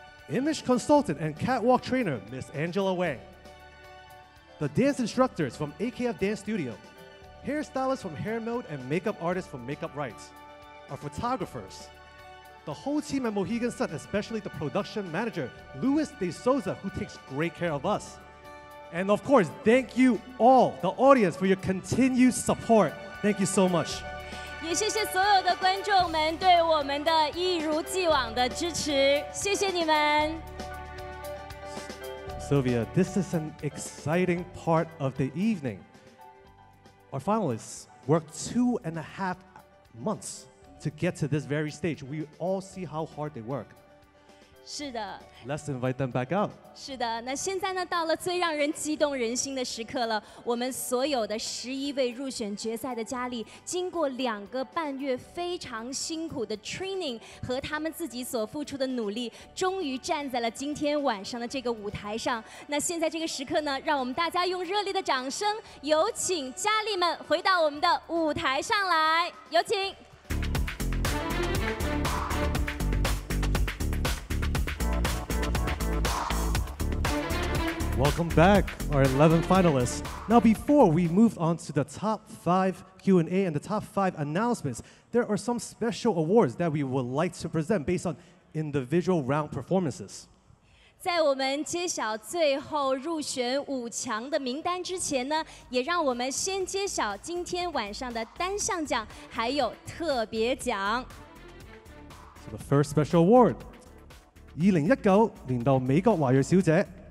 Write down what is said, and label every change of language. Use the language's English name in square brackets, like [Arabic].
[English] Image consultant and catwalk trainer, Ms. Angela Wang. The dance instructors from AKF Dance Studio, hairstylists from Hair Mode and makeup artists from Makeup Right, our photographers, the whole team at Mohegan Sun, especially the production manager, Luis De Souza, who takes great care of us. And of course, thank you all, the audience, for your continued support. Thank you so much. [Chinese] 也谢谢所有的观众们对我们的一如既往的支持，谢谢你们。 [English] Sylvia, this is an exciting part of the evening. Our finalists worked 2.5 months to get to this very stage. We all see how hard they work. [Chinese] 是的。 [English] Let's invite them back out. [Chinese] 是的，那现在呢，到了最让人激动人心的时刻了。我们所有的11位入选决赛的佳丽，经过2个半月非常辛苦的 training 和他们自己所付出的努力，终于站在了今天晚上的这个舞台上。那现在这个时刻呢，让我们大家用热烈的掌声，有请佳丽们回到我们的舞台上来，有请。 [English] Welcome back, our 11 finalists. Now, before we move on to the top 5 Q&A and the top 5 announcements, there are some special awards that we would like to present based on individual round performances. [Chinese] 在我们揭晓最后入选五强的名单之前呢，也让我们先揭晓今天晚上的单项奖还有特别奖。 [English] So the first special award, [Chinese] 2019年度美国华裔小姐。